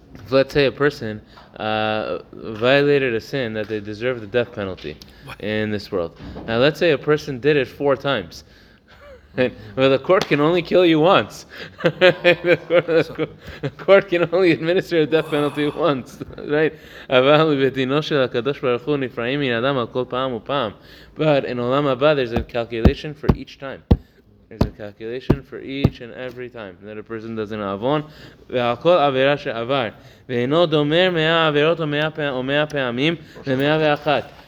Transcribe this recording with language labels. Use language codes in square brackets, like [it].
[en] Let's say a person violated a sin that they deserve the death penalty in this world. Now let's say a person did it four times. Well, the court can only kill you once. the court can only administer a death penalty once, right? [he] אבל בדינו של הקדוש ברוך הוא נפרעים מן אדם על כל פעם ופעם. [en] But in עולם הבא, there's a calculation for each time. There's a calculation for each and every time that a person does an avon. [he] ועל כל עבירה שעבר. ואינו דומר מאה עבירות או מאה פעמים למאה ואחת.